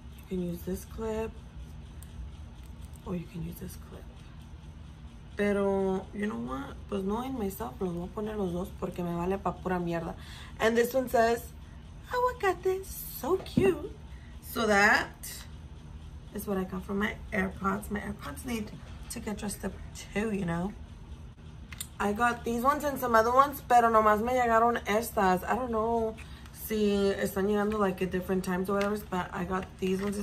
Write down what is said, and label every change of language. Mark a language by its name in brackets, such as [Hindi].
[English] You can use this clip, or you can use this clip. [Spanish] Pero, [English] you know what? [Spanish] Pues no en myself, los voy a poner los dos porque me vale pa pura mierda. [English] And this one says, aguacate, so cute. So that is what I got from my AirPods. My AirPods need to get dressed up too, you know? I got these ones and some other ones, [Spanish] pero nomás me llegaron estas. [English] I don't know. See, [Spanish] están llegando [English] like at different times or whatever, but I got these ones.